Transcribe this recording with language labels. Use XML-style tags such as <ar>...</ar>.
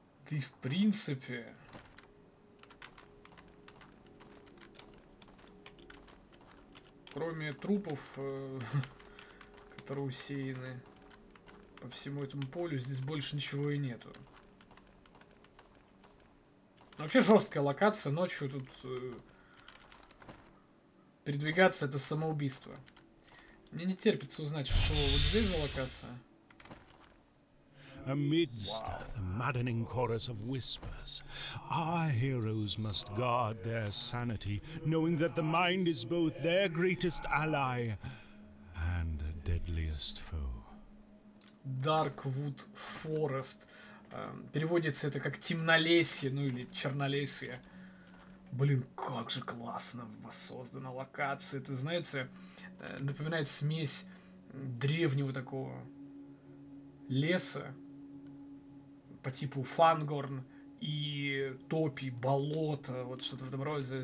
<ru>И в принципе кроме трупов, которые усеяны по всему этому полю, здесь больше ничего и нету. Вообще жесткая локация, ночью тут передвигаться это самоубийство. Мне не терпится узнать, что вот здесь за локация.</ru> <en>Amidst the maddening chorus of whispers, our heroes must guard their sanity, knowing that the mind is both their greatest ally and deadliest foe. Darkwood Forest.</en> <ru>Переводится это как темнолесье, ну или чернолесье. Блин, как же классно воссоздана локация. Это, знаете, напоминает смесь древнего такого леса по типу Фангорн и топи, болото, вот что-то в этом роде.</ru>